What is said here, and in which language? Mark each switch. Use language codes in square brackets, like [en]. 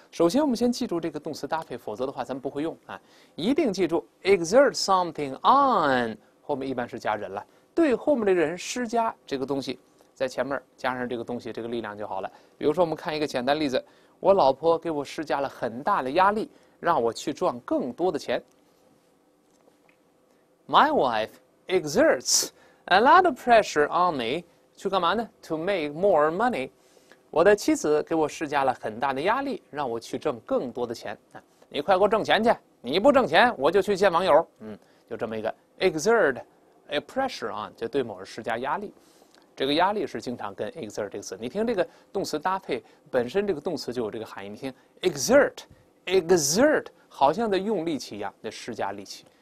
[zh] 首先，我们先记住这个动词搭配，否则的话，咱们不会用啊。一定记住 [en] exert something on [zh] 后面一般是加人了，对后面的人施加这个东西，在前面加上这个东西，这个力量就好了。比如说，我们看一个简单例子：我老婆给我施加了很大的压力，让我去赚更多的钱。 [en] My wife exerts a lot of pressure on me. [zh] 去干嘛呢 ？ [en] To make more money， [zh] 我的妻子给我施加了很大的压力，让我去挣更多的钱。你快给我挣钱去！你不挣钱，我就去见网友。就这么一个 [en] exert a pressure on， [zh] 就对某人施加压力。这个压力是经常跟 exert 这个词。你听这个动词搭配，本身这个动词就有这个含义。你听 exert， 好像在用力气一样，在施加力气。